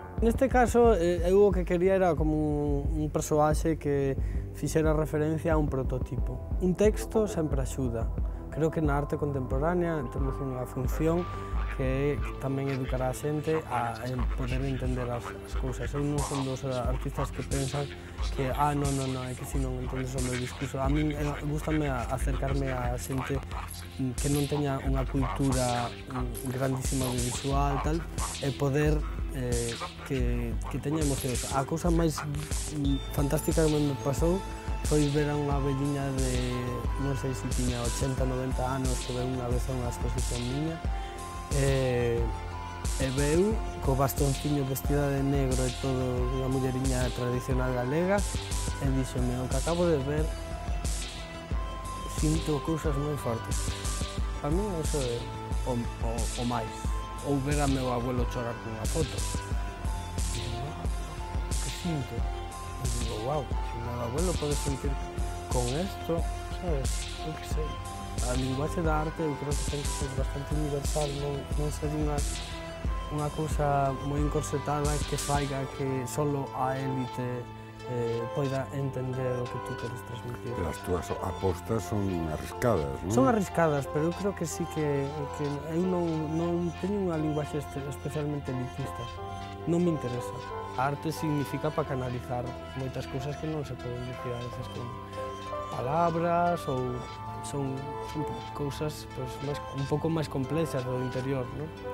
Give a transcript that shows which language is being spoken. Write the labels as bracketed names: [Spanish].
[Galician] Neste caso, eu o que quería era como un persoaxe que fixera referencia a un prototipo. Un texto sempre axuda. Creo que na arte contemporánea temos unha función que tamén educará a xente a poder entender as cousas. Eu non son dos artistas que pensan que, ah, non, é que si non entendes o meu discurso. A mí gustame acercarme a xente que non teña unha cultura grandísima de visual, tal, e poder que teña emocións. A cousa máis fantástica que me pasou foi ver a unha velliña de, non sei se tiña 80, 90 anos, que veu unha vez a unha exposición miña, e veu co bastonciño vestida de negro e todo, unha mulleriña tradicional galega, e díxome, o que acabo de ver, sinto cousas moi fortes. A mí eso é o máis. Ou ver a meu abuelo chorar con unha foto. Que sinto? E digo, uau, se o meu abuelo pode sentir con isto, sabes, eu que sei. A linguaxe da arte, eu creo que ten que ser bastante universal, non ser unha cousa moi encorsetada que faiga que só a élite [Spanish] pueda entender lo que tú quieres transmitir. [Galician] Las tuas apostas son arriscadas, ¿no? [Spanish] Son arriscadas, pero yo creo que sí que ahí no tengo una lenguaje especialmente elitista. No me interesa. Arte significa para canalizar muchas cosas que no se pueden decir a veces con palabras o son cosas pues, más, un poco más complejas del interior, ¿no?